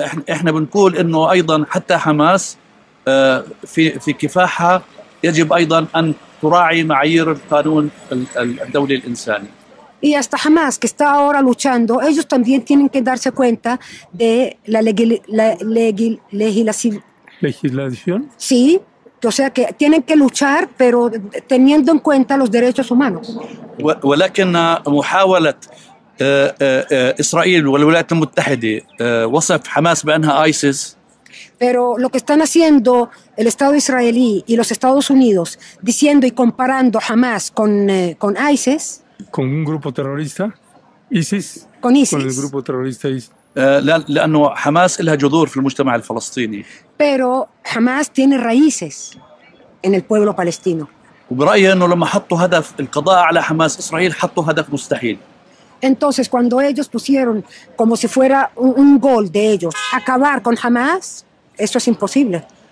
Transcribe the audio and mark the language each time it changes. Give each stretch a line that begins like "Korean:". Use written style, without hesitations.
Arabic: احنا بنقول انه ايضا حتى حماس في كفاحها يجب ايضا ان تراعي معايير القانون الدولي الانساني.
Spanish: Y hasta Hamas, que está ahora luchando, ellos también tienen que darse cuenta de la legislación. Sí, o sea que tienen que luchar, pero teniendo en cuenta los derechos humanos.
Arabic: ولكن محاولة إسرائيل والولايات المتحدة وصف حماس بأنها ISIS.
Spanish: Pero lo que están haciendo el Estado israelí y los Estados Unidos, diciendo y comparando Hamas con ISIS. Con un grupo terrorista, ISIS. Con ISIS. Con el grupo terrorista ISIS.
Arabic: لأنه حماس لها جذور في المجتمع الفلسطيني.
Spanish: Pero Hamas tiene raíces en el pueblo palestino.
Arabic: وبرأيي إنه لما حطوا هدف القضاء على حماس إسرائيل حطوا هدف مستحيل.
Spanish: Entonces cuando ellos pusieron como si fuera un gol de ellos acabar con Hamas, eso es imposible.